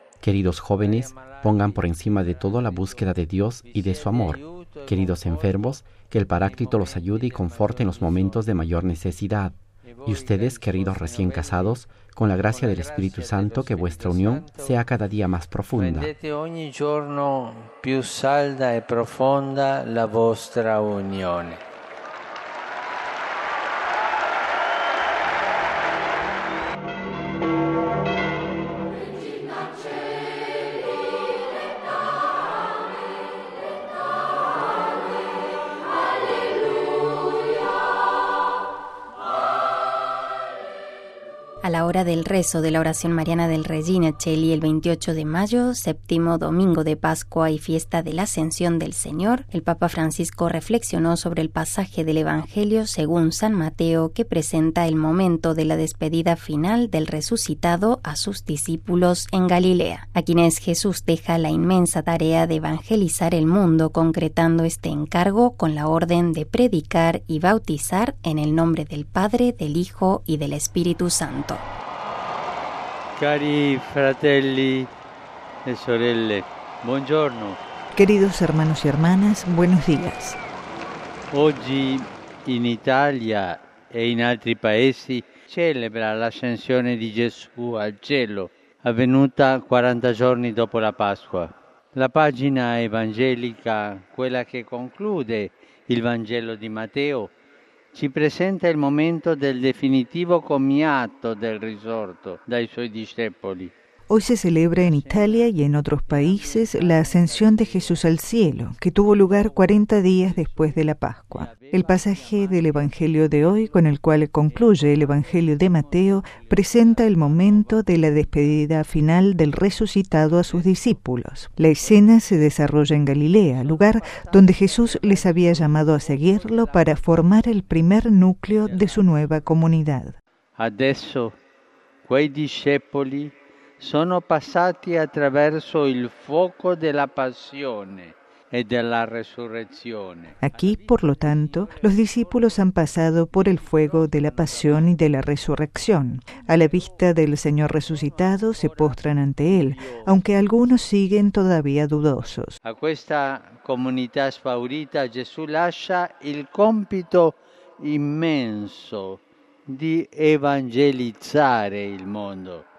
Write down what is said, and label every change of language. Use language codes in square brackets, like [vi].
[es] Queridos jóvenes, pongan por encima de todo la búsqueda de Dios y de su amor. Queridos enfermos, que el Paráclito los ayude y conforte en los momentos de mayor necesidad. Y ustedes, queridos recién casados, con la gracia del Espíritu Santo, que vuestra unión sea cada día más profunda. [it] Rendete ogni giorno più salda e profonda la vostra unione. [es] A la hora del rezo de la oración mariana del Regina Cheli el 28 de mayo, séptimo domingo de Pascua y fiesta de la Ascensión del Señor, el Papa Francisco reflexionó sobre el pasaje del Evangelio según San Mateo que presenta el momento de la despedida final del resucitado a sus discípulos en Galilea, a quienes Jesús deja la inmensa tarea de evangelizar el mundo concretando este encargo con la orden de predicar y bautizar en el nombre del Padre, del Hijo y del Espíritu Santo. [it] Cari fratelli e sorelle, buongiorno. [es] Queridos hermanos y hermanas, buenos días. [it] Oggi in Italia e in altri paesi celebra l'ascensione di Gesù al cielo, avvenuta 40 giorni dopo la Pasqua. La pagina evangelica, quella che conclude il Vangelo di Matteo, ci presenta il momento del definitivo commiato del risorto dai suoi discepoli. [es] Hoy se celebra en Italia y en otros países la ascensión de Jesús al cielo, que tuvo lugar 40 días después de la Pascua. El pasaje del Evangelio de hoy, con el cual concluye el Evangelio de Mateo, presenta el momento de la despedida final del resucitado a sus discípulos. La escena se desarrolla en Galilea, lugar donde Jesús les había llamado a seguirlo para formar el primer núcleo de su nueva comunidad. [it] Adesso quei discepoli sono passati attraverso il fuoco della passione e della resurrezione. [es] Aquí, por lo tanto, los discípulos han pasado por el fuego de la pasión y de la resurrección. A la vista del Señor resucitado, se postran ante Él, aunque algunos siguen todavía dudosos. A esta comunidad [it] spaurita, [es] Jesús [it] lascia [es] el [it] compito [es] inmenso de evangelizar el mundo.